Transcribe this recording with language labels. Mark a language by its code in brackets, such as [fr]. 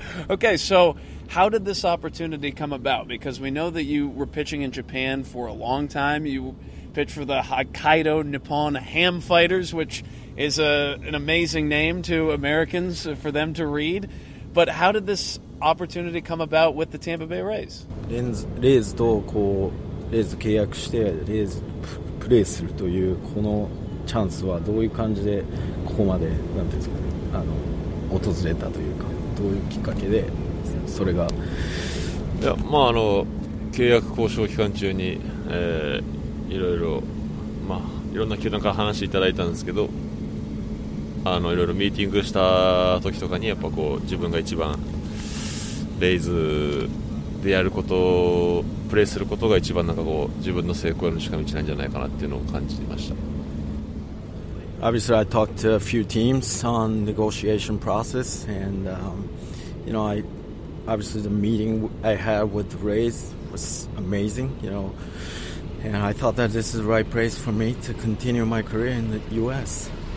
[en] Okay, so how did this opportunity come about? Because we know that you were pitching in Japan for a long time. You pitched for the Hokkaido Nippon Ham Fighters, which is an amazing name to Americans for them to read. But how did this opportunity come about with the Tampa Bay Rays? [ja] Rays とこう、Rays と契約して、Rays プレーするというこのチャンスはどういう感じでここまで、なんていうんですかね、あの、訪れたというか、どういうきっかけで、それが。いや、まあ、あの、契約交渉期間中に、いろいろ、まあ、いろんな球団から話いただいたんですけど、あの、いろいろミーティングした時とかに、やっぱこう、自分が一番、レイズでやることをプレーすることが一番なんかこう自分の成功への近道なんじゃないかなっていうのを感じました。 [en] Obviously I talked to a few teams on negotiation process and you know I obviously the meeting I had with the Rays was amazing, you know, and I thought that this is the right place for me to continue my career in the US.